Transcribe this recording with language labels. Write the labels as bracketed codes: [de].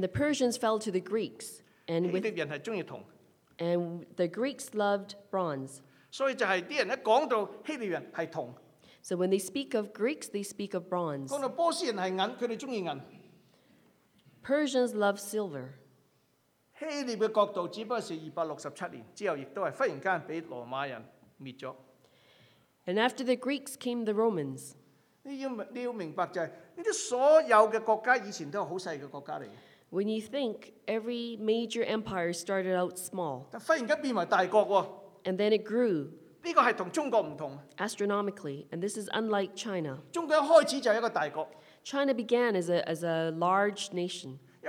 [en] the Persians fell to the Greeks, and with [zh] 希腊人是喜欢铜。 [en] And the Greeks loved bronze. [zh] 所以就是人一讲到希腊人是铜。 [en] So when they speak of Greeks, they speak of bronze. [zh] 讲到波斯人是银, 他们喜欢银。 [en] Persians love silver. [zh] 希腊的国度只不过是267年，之后亦都是忽然间被罗马人灭了。 [en] And after the Greeks came the Romans. [zh] 你要明白就是，这些所有的国家以前都是很小的国家来的。 [en] When you think every major empire started out small, and then it grew astronomically, and this is unlike China. China began as a large nation.